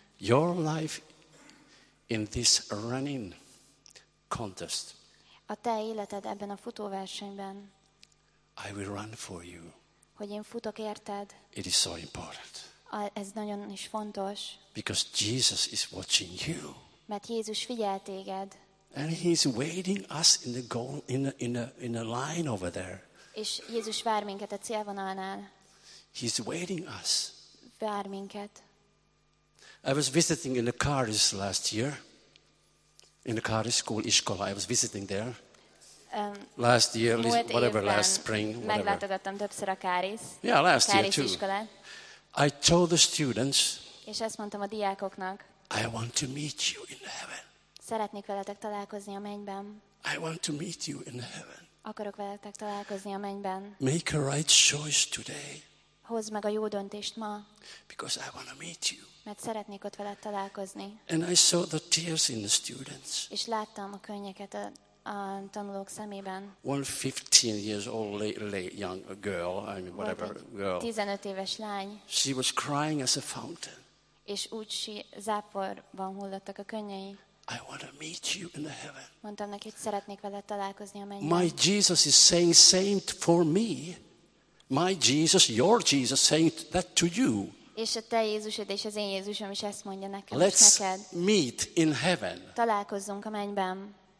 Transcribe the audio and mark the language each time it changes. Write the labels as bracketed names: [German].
[English] Your life in this running contest. [Hungarian] A te életed ebben a futóversenyben. [English] I will run for you. [Hungarian] Hogy én futok érted. [English] It is so important. [Hungarian] Ez nagyon is fontos. [English] Because Jesus is watching you. [Hungarian] Mert Jézus figyel téged. [English] And he's waiting us in the goal in the line over there. [Hungarian] És Jézus vár minket a célvonalnál. [English] He's waiting us. [Hungarian] Vár minket. [English] I was visiting in the car this last year. In the car school iskola. I was visiting there. Last year, whatever, last spring, whatever. [Hungarian] Meglátogattam többször a Káris. [English] Yeah, last year too. I told the students. [Hungarian] És ezt mondtam a diákoknak. [English] I want to meet you in heaven. [Hungarian] Szeretnék veletek találkozni a mennyben. [English] I want to meet you in heaven. [Hungarian] Akarok veletek találkozni a mennyben. [English] Make a right choice today. [Hungarian] Hozd meg a jó döntést ma. [English] Because I want to meet you. [Hungarian] Mert szeretnék ott veled találkozni. [English] And I saw the tears in the students. [Hungarian] És láttam a könnyeket a tanulók szemében. [English] One 15 years old young girl, I mean whatever girl. [Hungarian] 15 éves lány. [English] She was crying as a fountain. [Hungarian] És úgy záporban hullottak a könnyei. [English] I want to meet you in the heaven. [Hungarian] Mondtam neki, hogy szeretnék veled találkozni a mennyben. [English] My Jesus is saying same for me. My Jesus, your Jesus saying that to you. [Hungarian] És a te Jézusod és az én Jézusom is ezt mondja nekem. [English] Let's [Hungarian] neked. [English] Meet in heaven. [Hungarian] Találkozzunk a mennyben.